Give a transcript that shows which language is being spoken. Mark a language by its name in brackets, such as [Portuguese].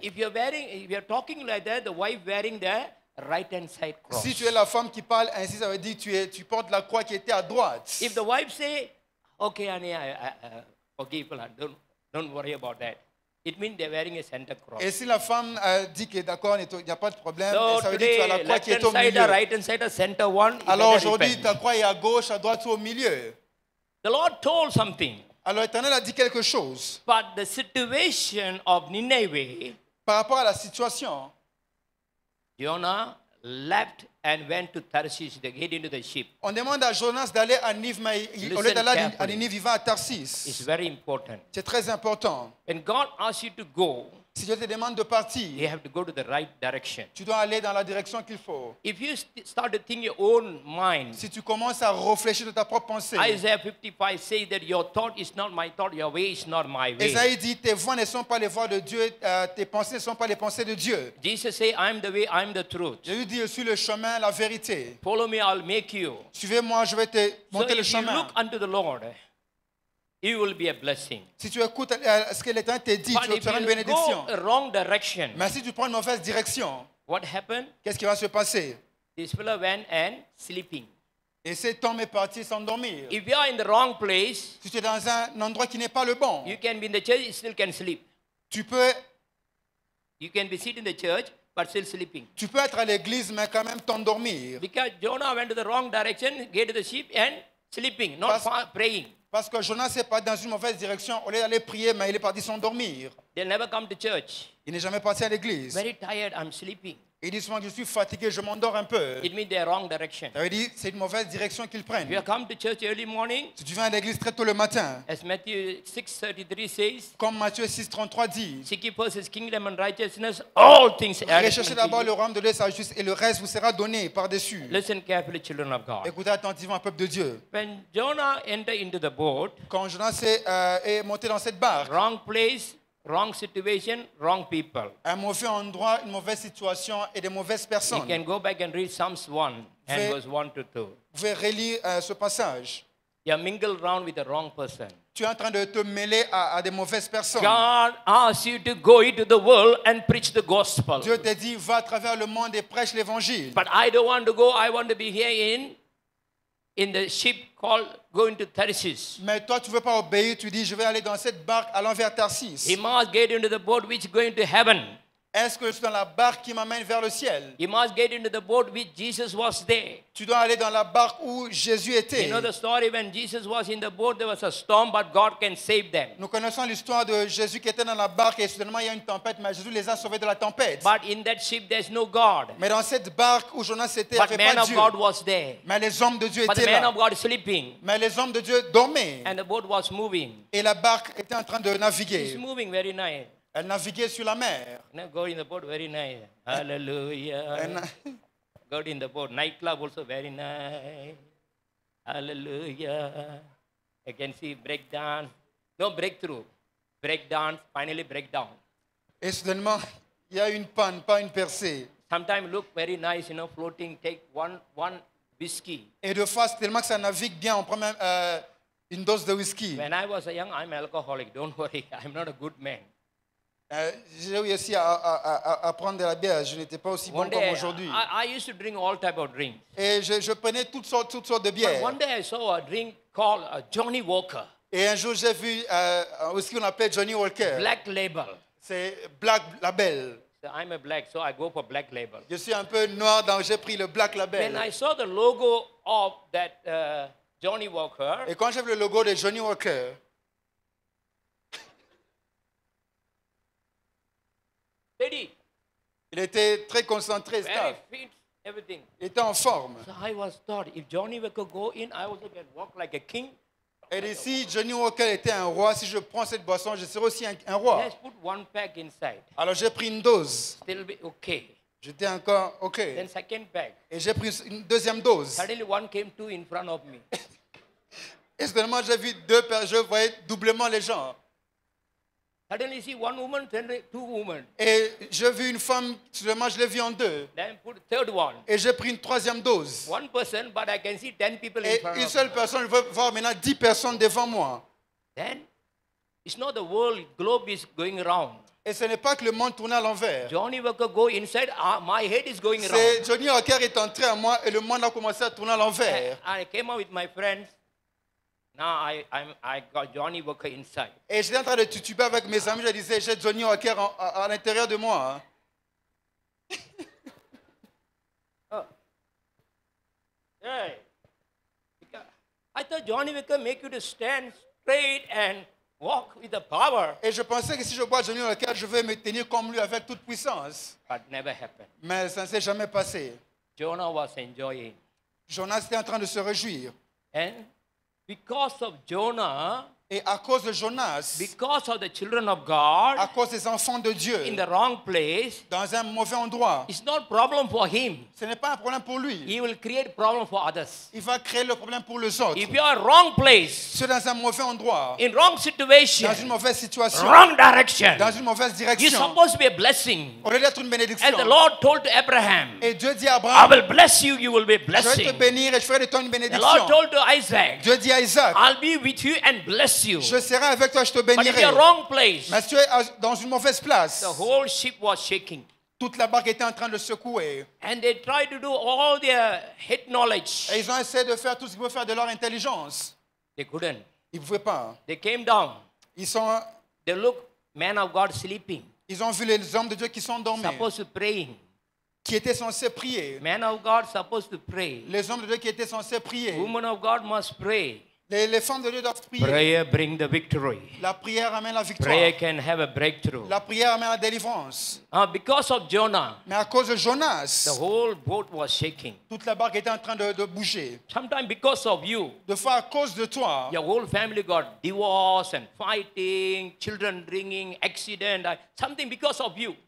[English] If you're talking like that, the wife wearing the right-hand side cross. [French] Si tu es la femme qui parle ainsi, ça veut dire que tu portes la croix qui était à droite. [English] If the wife say, okay, honey, people are. Don't worry about that. It means they're wearing a center cross. [French] Et si la femme dit que d'accord, il n'y a pas de problème, [English] so [French] ça veut dire que tu as la croix qui est au [English] side, [French] milieu. [English] Right side, center one, [French] alors aujourd'hui, ta croix est à gauche, à droite ou au milieu. [English] The Lord told something. [French] Alors l'Éternel a dit quelque chose. [English] But the situation of Nineveh, [French] par rapport à la situation, [English] Jonah left and went to Tarshish to get into the ship. [French] On demande à Jonas d'aller à Nineveh, mais au lieu d'aller à Nineveh, il va à Tarshish. [English] It's very important. [French] C'est très important. [English] When God asks you to go, [French] si Dieu te demande de partir, [English] you have to go to the right direction. [French] Tu dois aller dans la direction qu'il faut. [English] If you start to think your own mind, [French] si tu commences à réfléchir de ta propre pensée, [English] Isaiah 55 says that your thought is not my thought, your way is not my way. [French] Isaïe dit, tes voies ne sont pas les voies de Dieu, tes pensées ne sont pas les pensées de Dieu. [English] Jesus says, I am the way, I am the truth. [French] Jésus dit, je suis le chemin, la vérité. [English] Follow me, I'll make you. [French] Suivez-moi, je vais te montrer le chemin. [English] So if you look unto the Lord, it will be a blessing. [French] Si tu écoutes ce que l'Éternel te dit, tu obtiendras une bénédiction. [English] Go wrong direction, [French] mais si tu prends une mauvaise direction, [English] what happened? [French] Qu'est-ce qui va se passer? [English] This fellow went and sleeping. [French] Et cet homme est parti s'endormir. [English] If you are in the wrong place, [French] si tu es dans un endroit qui n'est pas le bon, [English] you can be in the church, you still can sleep. [French] Tu peux. [English] You can be sitting in the church, but still sleeping. [French] Tu peux être à l'église mais quand même t'endormir. [English] Because Jonah went to the wrong direction, get to the ship and sleeping, not praying. [French] Parce que Jonas n'est pas dans une mauvaise direction. Au lieu d'aller prier, mais il est parti s'endormir. [English] They'll never come to church. [French] Il n'est jamais parti à l'église. [English] Very tired, I'm sleeping. [French] Il dit souvent, je suis fatigué, je m'endors un peu. [English] It means they're wrong direction. [French] Ça veut dire, c'est une mauvaise direction qu'ils prennent. [English] If you come to church early morning, [French] si tu viens à l'église très tôt le matin, [English] as Matthew 6:33 says, [French] comme Matthieu 6:33 dit, [English] seek ye first his kingdom and righteousness, all things are added. [French] Recherchez d'abord le royaume de Dieu et sa justice, et le reste vous sera donné par-dessus. [English] Listen carefully, children of God. [French] Écoutez attentivement, peuple de Dieu. [English] When Jonah entered into the boat, [French] quand Jonas est monté dans cette barque, [English] wrong place, wrong situation, wrong people. [French] Un mauvais endroit, une mauvaise situation et des mauvaises personnes. [English] You can go back and read Psalms 1 and verse 1 to 2. [French] Vous pouvez relire ce passage. [English] You are mingled around with the wrong person. [French] Tu es en train de te mêler à des mauvaises personnes. [English] God asks you to go into the world and preach the gospel. [French] Dieu te dit, va à travers le monde et prêche l'évangile. [English] But I don't want to go, I want to be here in the ship called going to Tarshish. [French] Mais toi tu veux pas obéir, tu dis je vais aller dans cette barque allant vers Tarshish. [English] He must get into the boat which going to heaven. [French] Est-ce que je suis dans la barque qui m'amène vers le ciel? [English] He must get into the boat which Jesus was there. [French] Tu dois aller dans la barque où Jésus était. [English] You know the story when Jesus was in the boat, there was a storm, but God can save them. [French] Nous connaissons l'histoire de Jésus qui était dans la barque et soudainement il y a une tempête, mais Jésus les a sauvés de la tempête. [English] But in that ship there's no God. [French] Mais dans cette barque où Jonas était, [English] but [French] il n'y avait pas Dieu. [English] But man of God was there. [French] Mais les hommes de Dieu étaient là. [English] But man of God sleeping. [French] Mais les hommes de Dieu dormaient. [English] And the boat was moving. [French] Et la barque était en train de naviguer. [English] It's moving very nice. [French] Elle naviguait sur la mer. [English] Now go in the boat, very nice. Hallelujah. Go in the boat, nightclub also very nice. Hallelujah. I can see breakdown. No breakthrough. Breakdown, finally breakdown. [French] Et soudainement, il y a une panne, pas une percée. [English] Sometimes look very nice, you know, floating, take one whiskey. [French] Et de face, tellement que ça navigue bien, on prend même une dose de whiskey. [English] When I was young, I'm alcoholic. Don't worry, I'm not a good man. [French] J'ai réussi à prendre de la bière. Je n'étais pas aussi bon comme aujourd'hui. [English] I used to drink all type of drink. [French] Et je prenais toutes sortes de bières. [English] One day I saw a drink called Johnny Walker. [French] Et un jour j'ai vu ce qu'on appelle Johnny Walker. [English] Black label. [French] C'est black label. [English] So I'm a black, so I go for black label. [French] Je suis un peu noir, donc j'ai pris le black label. [English] When I saw the logo of that Johnny Walker. [French] Et quand j'ai vu le logo de Johnny Walker. [English] Ready. [French] Il était très concentré, [English] very staff. Fit, everything. [French] Il était en forme. [English] So I was thought, if Johnny Walker go in, I also can walk like a king. [French] Et ici, Johnny Walker était un roi. Si je prends cette boisson, je serai aussi un roi. [English] Let's put one pack inside. [French] Alors j'ai pris une dose. [English] Still be okay. [French] J'étais encore ok. [English] Then second pack. [French] Et j'ai pris une deuxième dose. [English] Suddenly one came two in front of me. [French] Et soudainement, j'ai vu deux paires. Je voyais doublement les gens. [English] Suddenly see one woman, then two women. [French] Et j'ai vu une femme, seulement je l'ai vu en deux. [English] Then put third one. [French] Et j'ai pris une troisième dose. [English] One person, but I can see 10 people [French] et [English] in front of me. [French] Et une seule personne, je veux voir maintenant 10 personnes devant moi. [English] Then, it's not the world, globe is going around. [French] Et ce n'est pas que le monde tourne à l'envers. [English] Johnny Walker go inside, my head is going around. [French] C'est Johnny Walker est entré à moi et le monde a commencé à tourner à l'envers. [English] I came out with my friends. Now I got Johnny Walker inside. [French] Et j'étais en train de tutuber avec mes amis. Je disais, j'ai Johnny Walker à l'intérieur de moi. Oh. Hey. [English] I thought Johnny Walker make you to stand straight and walk with the power. [French] Et je pensais que si je bois Johnny Walker, je vais me tenir comme lui avec toute puissance. [English] But never happened. [French] Mais ça ne s'est jamais passé. [English] Jonah was enjoying. [French] Jonas était en train de se réjouir. [English] And because of Jonah, [French] et à cause de Jonas, [English] because of the children of God, [French] à cause des enfants de Dieu, [English] in the wrong place, [French] dans un mauvais endroit, [English] it's not problem for him. [French] Ce n'est pas un problème pour lui. [English] He will create problem for others. [French] Il va créer le problème pour les autres. [English] If you are wrong place, [French] c'est dans un mauvais endroit, [English] in wrong situation, [French] dans une mauvaise situation, [English] wrong direction, [French] dans une mauvaise direction, [English] you're supposed to be a blessing. [French] On doit être une bénédiction. [English] As the Lord told to Abraham, [French] et Dieu dit à Abraham, [English] I will bless you, you will be blessing. [French] Je vais te bénir et je ferai de toi une bénédiction. [English] The Lord told to Isaac, [French] Dieu dit à Isaac, [English] I'll be with you and bless you. [French] Je serai avec toi, je te bénirai. [English] Place, [French] mais si tu es dans une mauvaise place, [English] the whole ship was shaking. [French] Toute la barque était en train de secouer. [English] And they tried to do all their head knowledge. [French] Et ils ont essayé de faire tout ce qu'ils pouvaient faire de leur intelligence. [English] They couldn't. [French] Ils ne pouvaient pas. [English] They came down. [French] Ils sont. [English] They look men of God sleeping. [French] Ils ont vu les hommes de Dieu qui sont dormis. [English] Supposed to praying. [French] Qui étaient censés prier. [English] Men of God supposed to pray. [French] Les hommes de Dieu qui étaient censés prier. [English] Women of God must pray. [French] Les femmes de Dieu doivent prier. [English] Prayer bring the victory. [French] La prière amène la victoire. [English] Prayer can have a breakthrough. [French] La prière amène la délivrance. [English] Because of Jonah. [French] Mais à cause de Jonas. [English] The whole boat was shaking. [French] Toute la barque était en train de bouger. [English] Sometimes because of you. [French] De fois à cause de toi. [English] Your whole family got divorced and fighting, children ringing, accident, something because of you.